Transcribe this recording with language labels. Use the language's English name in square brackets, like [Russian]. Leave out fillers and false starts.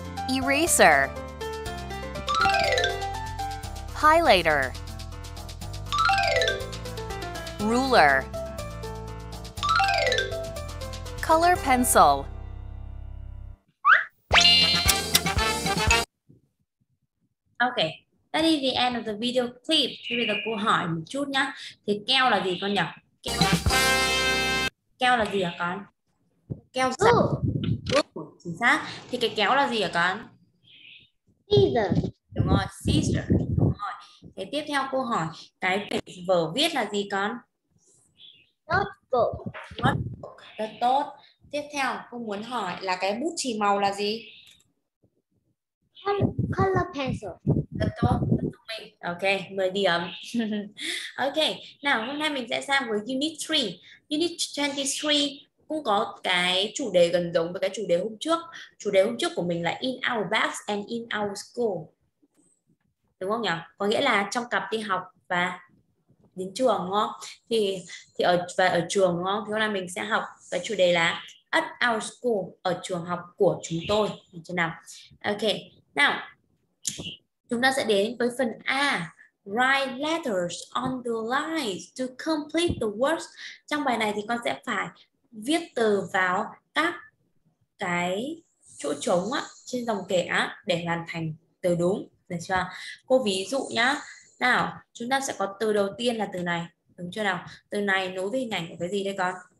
[English] eraser, highlighter, ruler, color pencil. Okay, that is the end of the video clip. [Vietnamese] Chúng ta cùng hỏi một chút nhá. Thì keo là gì con nhỉ? Keo. Keo là gì hả con? Keo sắt. Chính xác. Thì cái kéo là gì hả con? [English] Scissor. [Vietnamese] Đúng rồi, scissor. Đúng rồi. Thế tiếp theo cô hỏi, cái vở viết là gì con? [English] Notebook. [Vietnamese] Notebook. Rất tốt. Tiếp theo cô muốn hỏi là cái bút chì màu là gì? [English] Color pencil. [Vietnamese] Rất tốt. Ok, 10 điểm. Ok, nào hôm nay mình sẽ sang với Unit 3. Unit 23 cũng có cái chủ đề gần giống với cái chủ đề hôm trước. Chủ đề hôm trước của mình là [English] in our bags and in our school. [Vietnamese] Đúng không nhỉ? Có nghĩa là trong cặp đi học và đến trường đúng không? Thì ở và ở trường đúng không? Thì hôm nay mình sẽ học cái chủ đề là [English] at our school, [Vietnamese] ở trường học của chúng tôi. Được chưa nào? Ok, nào chúng ta sẽ đến với phần A. [English] Write letters on the lines to complete the words. [Vietnamese] Trong bài này thì con sẽ phải viết từ vào các cái chỗ trống á, trên dòng kẻ á, để hoàn thành từ đúng. Được chưa? Cô ví dụ nhá. Nào, chúng ta sẽ có từ đầu tiên là từ này. Đúng chưa nào? Từ này nối với hình ảnh của cái gì đây con?